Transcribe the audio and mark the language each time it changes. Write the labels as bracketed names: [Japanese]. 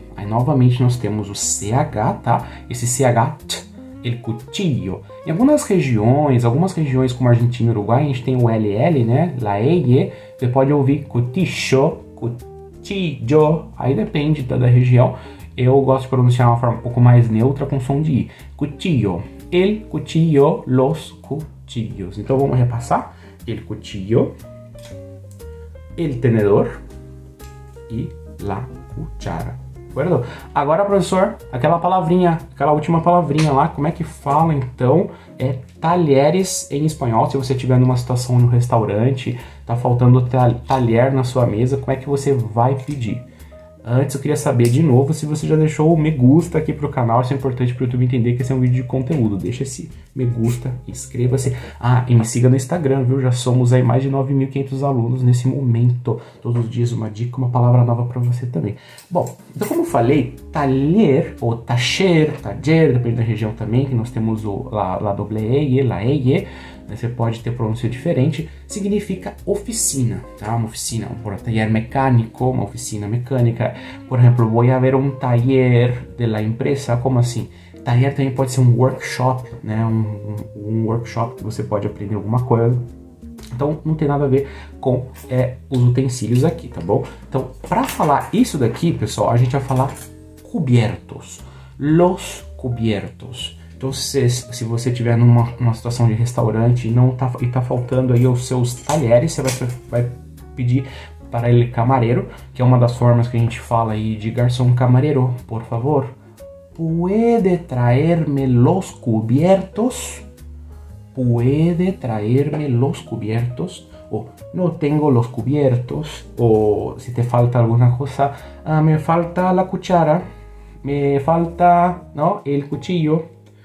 [Portuguese] Aí novamente nós temos o CH, tá? Esse CH, tch, el cuchillo. Em algumas regiões como Argentina e Uruguai, a gente tem o LL, né? La E. Você pode ouvir cuticho, cuchillo. Aí depende da região. Eu gosto de pronunciar uma forma um pouco mais neutra com som de i. [Spanish] Cuchillo. El cuchillo, los cuchillos. [Portuguese] Então vamos repassar. El cuchillo. El tenedor. E la cuchara. Acordou? Agora, professor, aquela palavrinha, aquela última palavrinha lá, como é que fala então? É talheres em espanhol. Se você estiver numa situação no restaurante, tá faltando talher na sua mesa, como é que você vai pedir? Antes, eu queria saber de novo se você já deixou o me gusta aqui para o canal. Isso é importante para o YouTube entender que esse é um vídeo de conteúdo. Deixa esse me gusta, inscreva-se. Ah, e me siga no Instagram, viu? Já somos aí mais de 9.500 alunos nesse momento. Todos os dias uma dica, uma palavra nova para você também. Bom, então como eu falei, taller ou tacher, taller, depende da região também, que nós temos o la doble e, la e. Você pode ter pronúncia diferente, significa oficina, tá? Uma oficina, um taller mecânico, uma oficina mecânica. [Spanish] Por exemplo, voy a ver un taller de la empresa. [Portuguese] Como assim? Taller também pode ser um workshop, né? Um workshop que você pode aprender alguma coisa. Então, não tem nada a ver com os utensílios aqui, tá bom? Então, para falar isso daqui, pessoal, a gente vai falar cubiertos, los cubiertos. Então, se você estiver numa situação de restaurante e tá faltando aí os seus talheres, você vai pedir para ele camareiro, que é uma das formas que a gente fala aí de garçom camareiro. [Spanish] Por favor, puede traerme los cubiertos? Puede traerme los cubiertos? Ou no tengo los cubiertos? Ou se te falta alguna cosa, ah, me falta la cuchara, me falta, no, el cuchillo.